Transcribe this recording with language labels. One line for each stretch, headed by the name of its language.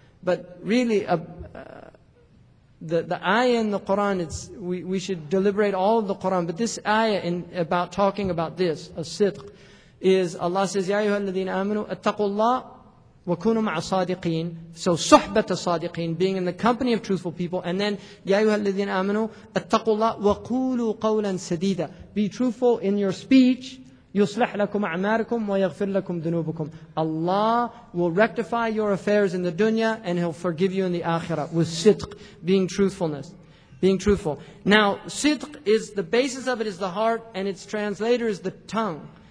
English: But really, the ayah in the Quran, it's we should deliberate all of the Quran. But this ayah in about talking about this, a sidq, is Allah says,
Arabic: يَا أَيُّهَا الَّذِينَ آمَنُوا أَتَّقُوا اللَّهُ وَكُونُوا مَعَ الصَّادِقِينَ.
English: So,
Arabic: صُحْبَةَ الصَّادِقِينَ,
English: being in the company of truthful people. And then,
Arabic: يَا أَيُّهَا الَّذِينَ آمَنُوا أَتَّقُوا اللَّهُ وَقُولُوا قَوْلًا سَدِيدًا.
English: Be truthful in your speech.
Arabic: يُصْلِحْ لَكُمْ أَعْمَالَكُمْ وَيَغْفِرْ لَكُمْ ذُنُوبَكُمْ.
English: Allah will rectify your affairs in the dunya and He'll forgive you in the akhirah. With sidq, being truthfulness. Being truthful. Now, sidq is, the basis of it is the heart, and its translator is the tongue.